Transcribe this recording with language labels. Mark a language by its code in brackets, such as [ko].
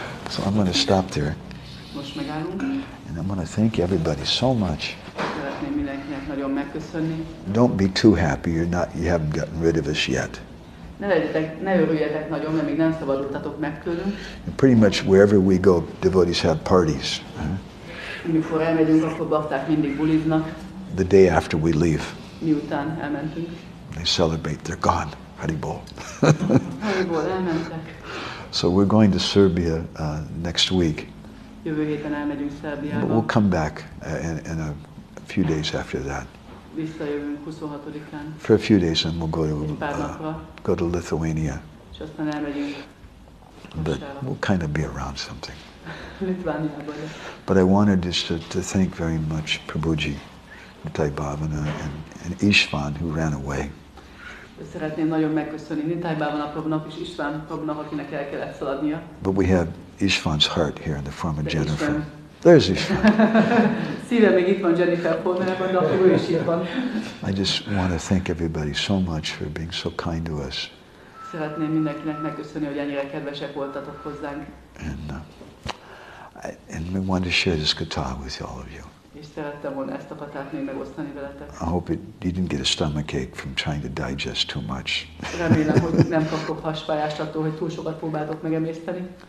[en] So I'm going to stop there. [hu] Most megállunk. [en] And I'm going to thank everybody so much. [hu] Szeretném mindenkinek nagyon megköszönni. [en] Don't be too happy. You haven't gotten rid of us yet. [hu] Ne örüljetek nagyon, mert még nem szabadultatok meg tőlünk. [en] Pretty much wherever we go, devotees have parties. [hu] Mikor elmegyünk, akkor bakták mindig buliznak. [en] The day after we leave. [hu] Miután elmentünk. [en] They celebrate, they're gone. [sa] Haribol. [hu] Haribol, elmentek. [en] So we're going to Serbia next week. [hu] Jövő héten elmegyünk Szerbiába. [en] But we'll come back in a few days after that. [hu] Visszajövünk 26-án. [en] For a few days and we'll go to Lithuania. [hu] És aztán elmegyünk. [en] But we'll kind of be around something. [hu] Litvániában. [en] But I wanted just to thank very much Prabhuji, Nitai Bhavana and Ishvan who ran away. [hu] Szeretném nagyon megköszönni Nitai Bhavana Prabhunak és Ishvan Prabhunak, akinek el kellett szaladnia. [en] But we have Ishvan's heart here in the form of Jennifer. There's Ishvan. [hu] Szíve még itt van Jennifer Polnerban, de akkor ő is itt van. [en] I just want to thank everybody so much for being so kind to us. [hu] Szeretném mindenkinek megköszönni, hogy ennyire kedvesek voltatok hozzánk. [en] And we want to share this guitar with all of you. [hu] És szerettem volna ezt a patát még megosztani veletek. [en] I hope you didn't get a stomachache from trying to digest too much. [hu] Remélem, hogy nem kaptok hasfájást attól, hogy túl sokat próbáltok megemészteni.